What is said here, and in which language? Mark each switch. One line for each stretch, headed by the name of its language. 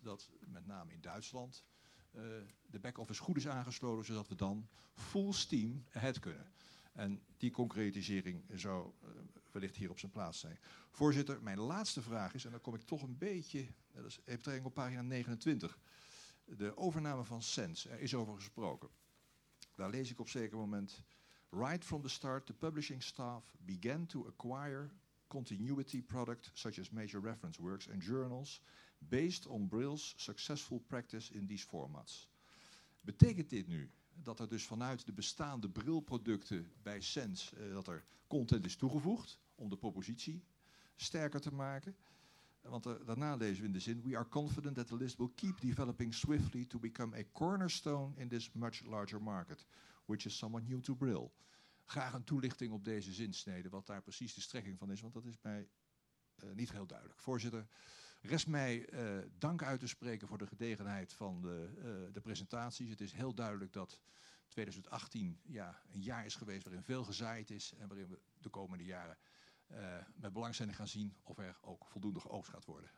Dutch: Dat met name in Duitsland de back-office goed is aangesloten, zodat we dan
English: full steam ahead
Dutch: kunnen. En die concretisering zou wellicht hier op zijn plaats zijn. Voorzitter, mijn laatste vraag is, en dan kom ik toch een beetje, dat is even betrekking op pagina 29. De overname van Sense, er is over gesproken. Daar lees ik op zeker moment:
English: right from the start, the publishing staff began to acquire continuity product such as major reference works and journals based on Brill's successful practice in these formats.
Dutch: Betekent dit nu dat er dus vanuit de bestaande Brill-producten bij Sense dat er content is toegevoegd om de propositie sterker te maken? Want daarna lezen we in de zin:
English: we are confident that the list will keep developing swiftly to become a cornerstone in this much larger market, which is somewhat new to Brill.
Dutch: Graag een toelichting op deze zinsnede, wat daar precies de strekking van is, want dat is mij niet heel duidelijk. Voorzitter, rest mij dank uit te spreken voor de gedegenheid van de presentaties. Het is heel duidelijk dat 2018 ja, een jaar is geweest waarin veel gezaaid is en waarin we de komende jaren met belangstelling gaan zien of er ook voldoende geoogst gaat worden.